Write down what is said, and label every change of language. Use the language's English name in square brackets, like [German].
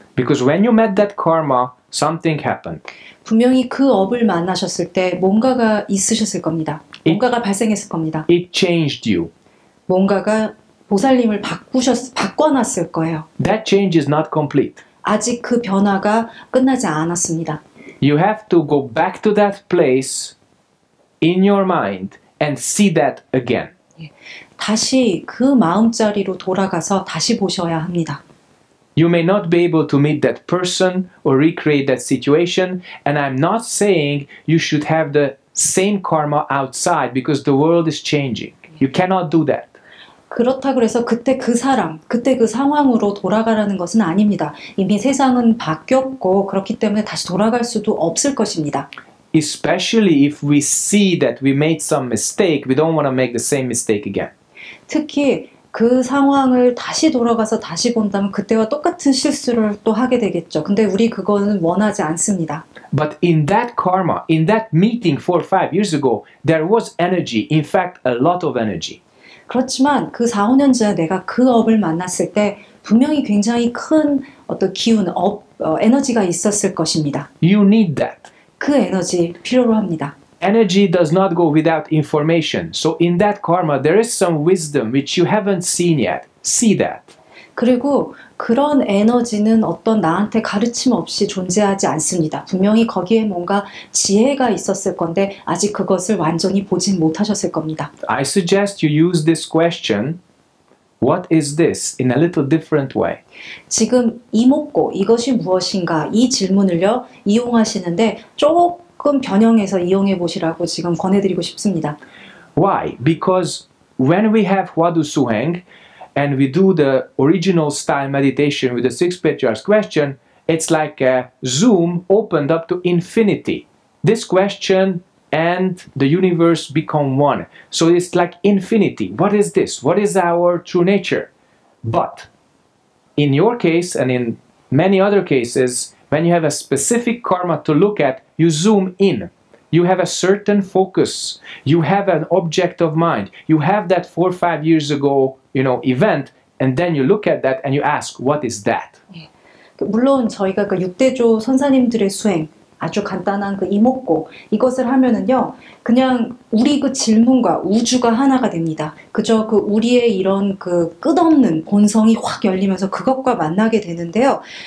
[English] Because when you met that karma, something happened. [Korean] 분명히 그 업을 만나셨을 때 뭔가가 있으셨을 겁니다. 뭔가가 발생했을 겁니다. [English] It changed you. [Korean] 뭔가가 보살님을 바꿔놨을 거예요. [English] That change is not complete. [Korean] 아직 그 변화가 끝나지 않았습니다. [English] You have to go back to that place in your mind and see that again. [Korean] 다시 그 마음 자리로 돌아가서 다시 보셔야 합니다. [English] You may not be able to meet that person or recreate that situation, and I'm not saying you should have the same karma outside because the world is changing. You cannot do that. [Korean] 그렇다고 해서 그때 그 사람, 그때 그 상황으로 돌아가라는 것은 아닙니다. 이미 세상은 바뀌었고 그렇기 때문에 다시 돌아갈 수도 없을 것입니다. [English] Especially if we see that we made some mistake, we don't want to make the same mistake again. [Korean] 특히 그 상황을 다시 돌아가서 다시 본다면 그때와 똑같은 실수를 또 하게 되겠죠. 근데 우리 그거는 원하지 않습니다. [English] But in that karma, in that meeting 4 or 5 years ago, there was energy. In fact, a lot of energy. [Korean] 그렇지만 그 4, 5년 전에 내가 그 업을 만났을 때 분명히 굉장히 큰 어떤 기운, 업, 에너지가 있었을 것입니다. [English] You need that. [Korean] 그 에너지 필요로 합니다. [English] Energy does not go without information. So in that karma, there is some wisdom which you haven't seen yet. See that. [Korean] 그리고 그런 에너지는 어떤 나한테 가르침 없이 존재하지 않습니다. 분명히 거기에 뭔가 지혜가 있었을 건데 아직 그것을 완전히 보진 못하셨을 겁니다. [English] I suggest you use this question, what is this, in a little different way. [Korean] 지금 이목고, 이것이 무엇인가, 이 질문을요, 이용하시는데 조금 변형해서 이용해 보시라고 지금 권해드리고 싶습니다. [English] Why? Because when we have Huadu Suheng and we do the original style meditation with the six patriarchs question, it's like a zoom opened up to infinity. This question and the universe become one. So it's like infinity. What is this? What is our true nature? But in your case and in many other cases, when you have a specific karma to look at, you zoom in. You have a certain focus. You have an object of mind. You have that 4 or 5 years ago, you know, event, and then you look at that and you ask, what is that? [Korean] 물론 저희가 그 육대조 선사님들의 수행 아주 간단한 그 이목고 이것을 하면은요 그냥 우리 그 질문과 우주가 하나가 됩니다. 그저 그 우리의 이런 그 끝없는 본성이 확 열리면서 그것과 만나게 되는데요.